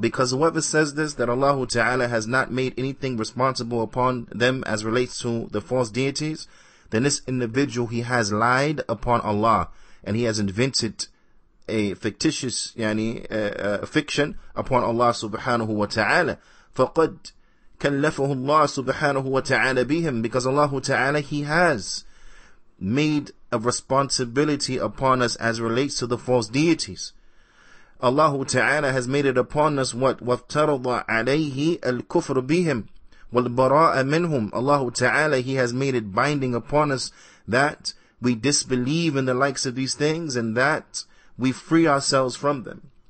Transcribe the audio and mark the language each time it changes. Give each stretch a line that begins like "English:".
English: Because whoever says this, that Allah Ta'ala has not made anything responsible upon them as relates to the false deities, then this individual, he has lied upon Allah, and he has invented a fictitious, yani, fiction upon Allah Subhanahu Wa Ta'ala.
Arabic: فَقَدْ كَلَّفَهُ اللَّهُ Subhanahu Wa Ta'ala بِهِمْ.
English: Because Allah Ta'ala, he has made a responsibility upon us as relates to the false deities. Allah Ta'ala has made it upon us what?
Arabic: وَافْتَرَضَ عَلَيْهِ الْكُفْرُ بِهِمْ وَالْبَرَاءَ مِنْهُمْ.
English: Allah Ta'ala, he has made it binding upon us that we disbelieve in the likes of these things and that we free ourselves from them.